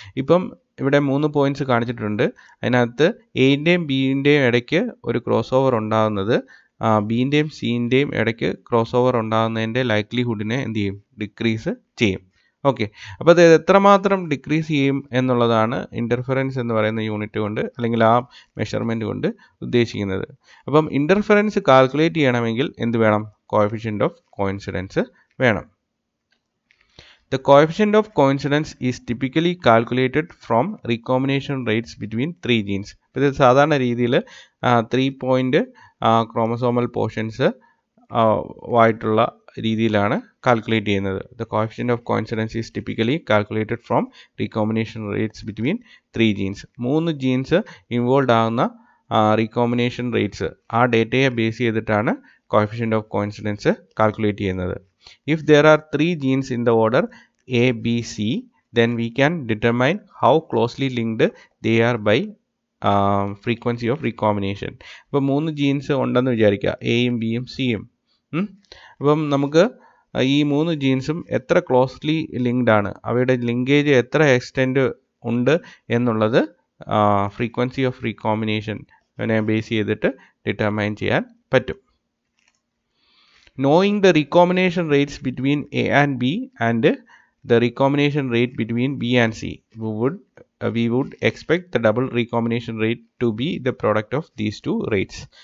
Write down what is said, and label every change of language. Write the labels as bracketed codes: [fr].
[ml] ഇപ്പം ഇവിടെ മൂന്ന് പോയിന്റ്സ് കാണിച്ചിട്ടുണ്ട്. അതിനകത്ത് എയിൻ്റെയും ബീൻ്റെയും ഇടയ്ക്ക് ഒരു ക്രോസ് ഓവർ ഉണ്ടാകുന്നത് ബീൻ്റെയും സീൻ്റെയും ഇടയ്ക്ക് ക്രോസ് ഓവർ ഉണ്ടാകുന്നതിൻ്റെ ലൈക്ലിഹുഡിനെ എന്ത് ചെയ്യും, ഡിക്രീസ് ചെയ്യും. ഓക്കെ, അപ്പോൾ അത് എത്രമാത്രം ഡിക്രീസ് ചെയ്യും എന്നുള്ളതാണ് ഇൻ്റർഫറൻസ് എന്ന് പറയുന്ന യൂണിറ്റ് കൊണ്ട് അല്ലെങ്കിൽ ആ മെഷർമെൻറ്റ് കൊണ്ട് ഉദ്ദേശിക്കുന്നത്. അപ്പം ഇൻ്റർഫറൻസ് കാൽക്കുലേറ്റ് ചെയ്യണമെങ്കിൽ എന്ത് വേണം, കോഫിഷ്യൻ്റ് ഓഫ് കോയിൻസിഡൻസ് വേണം. [en] The coefficient of coincidence is typically calculated from recombination rates between three genes. [ml] ഇപ്പോൾ ഇത് സാധാരണ രീതിയിൽ ത്രീ പോയിൻ്റ് ക്രോമസോമൽ പോർഷൻസ് ആയിട്ടുള്ള രീതിയിലാണ് കാൽക്കുലേറ്റ് ചെയ്യുന്നത്. [en] The coefficient of coincidence is typically calculated from recombination rates between three genes. [ml] മൂന്ന് jeans involve ആകുന്ന recombination rates ആ ഡേറ്റയെ ബേസ് ചെയ്തിട്ടാണ് കോഫിഷ്യൻറ്റ് ഓഫ് കോയിൻസിഡൻസ് കാൽക്കുലേറ്റ് ചെയ്യുന്നത്. [en] If there are three genes in the order A B C, then we can determine how closely linked they are by frequency of recombination. [ml] ഇപ്പോൾ മൂന്ന് jeans ഉണ്ടെന്ന് വിചാരിക്കുക, എയും ബിയും സിയും. അപ്പം നമുക്ക് ഈ മൂന്ന് ജീൻസും എത്ര ക്ലോസ്ലി ലിങ്ക്ഡ് ആണ്, അവയുടെ ലിങ്കേജ് എത്ര എക്സ്റ്റെൻഡ് ഉണ്ട് എന്നുള്ളത് ഫ്രീക്വൻസി ഓഫ് റീകോമ്പിനേഷനെ ബേസ് ചെയ്തിട്ട് ഡിറ്റർമൈൻ ചെയ്യാൻ പറ്റും. [en] Knowing the recombination rates between A and B and the recombination rate between B and C, we would expect the double recombination rate to be the product of these two rates.